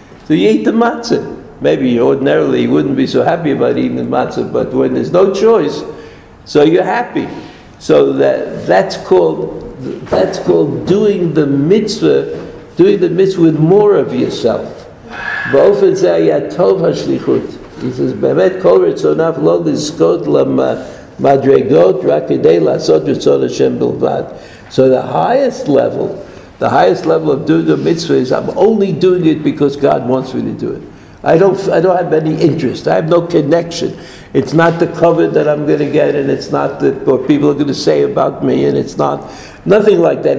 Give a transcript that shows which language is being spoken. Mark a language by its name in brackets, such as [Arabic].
[English] So you eat the matzah. Maybe ordinarily you wouldn't be so happy about eating the matzah, but when there's no choice, so you're happy. So that's called doing the mitzvah with more of yourself. [Hebrew] באופן זה היה טוב השליחות. [English] He says, [Hebrew] באמת כל רצונף לא לזכות למדרגות רק כדי לעשות רצון השם בלבד. [English] So the highest level of doing the mitzvah is I'm only doing it because God wants me to do it. I don't have any interest. I have no connection. It's not the cover that I'm going to get, and it's not what people are going to say about me, and it's not nothing like that.